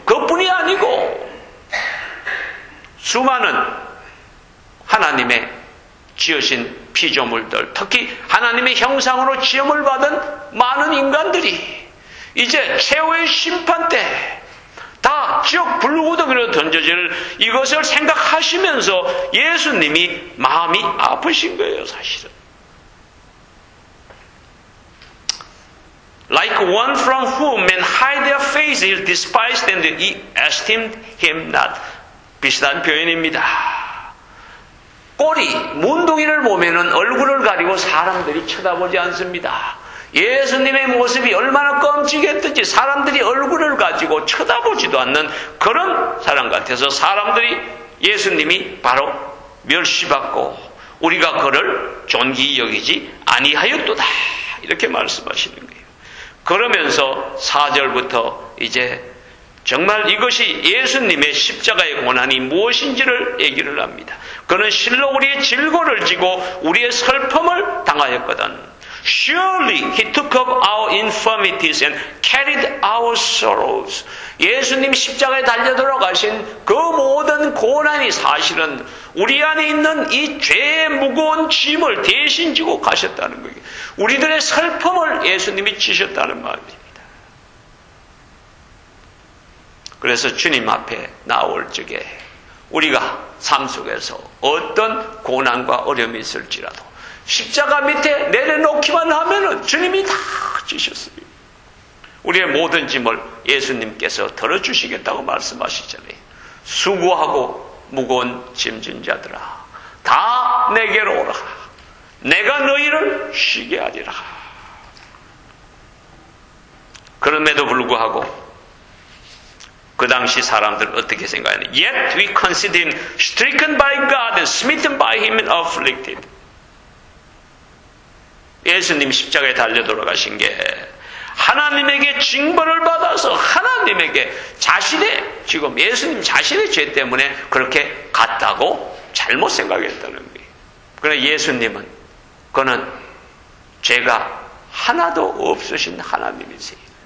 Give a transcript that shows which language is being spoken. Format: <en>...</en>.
<ko>그뿐이 아니고 수많은 하나님의 지으신 피조물들, 특히 하나님의 형상으로 지음을 받은 많은 인간들이 이제 최후의 심판 때 다 지옥 불구덩이로 던져질 이것을 생각하시면서 예수님이 마음이 아프신 거예요, 사실은.</ko> <en>Like one from whom men hide their faces, despised and esteemed him not.</en> <ko>비슷한 표현입니다. 꼬리, 문둥이를 보면은 얼굴을 가리고 사람들이 쳐다보지 않습니다. 예수님의 모습이 얼마나 끔찍했든지 사람들이 얼굴을 가지고 쳐다보지도 않는 그런 사람 같아서 사람들이 예수님이 바로 멸시받고 우리가 그를 존귀히 여기지 아니하였도다. 이렇게 말씀하시는 거예요. 그러면서 4절부터 이제 정말 이것이 예수님의 십자가의 고난이 무엇인지를 얘기를 합니다. 그는 실로 우리의 질고를 지고 우리의 슬픔을 당하였거든.</ko> <en>Surely he took up our infirmities and carried our sorrows.</en> <ko>예수님 십자가에 달려 돌아가신 그 모든 고난이 사실은 우리 안에 있는 이 죄의 무거운 짐을 대신 지고 가셨다는 거예요. 우리들의 슬픔을 예수님이 지셨다는 말입니다. 그래서 주님 앞에 나올 적에 우리가 삶 속에서 어떤 고난과 어려움이 있을지라도 십자가 밑에 내려놓기만 하면은 주님이 다 주셨습니다. 우리의 모든 짐을 예수님께서 덜어주시겠다고 말씀하시잖아요. 수고하고 무거운 짐진 자들아, 다 내게로 오라. 내가 너희를 쉬게 하리라. 그럼에도 불구하고 그 당시 사람들 어떻게 생각하냐?</ko> <en>Yet we consider him stricken by God and smitten by him and afflicted.</en> <ko>예수님 십자가에 달려 돌아가신 게 하나님에게 징벌을 받아서 하나님에게 자신의 지금 예수님 자신의 죄 때문에 그렇게 갔다고 잘못 생각했다는 거예요. 그러나 예수님은 그는 죄가 하나도 없으신 하나님이세요.</ko>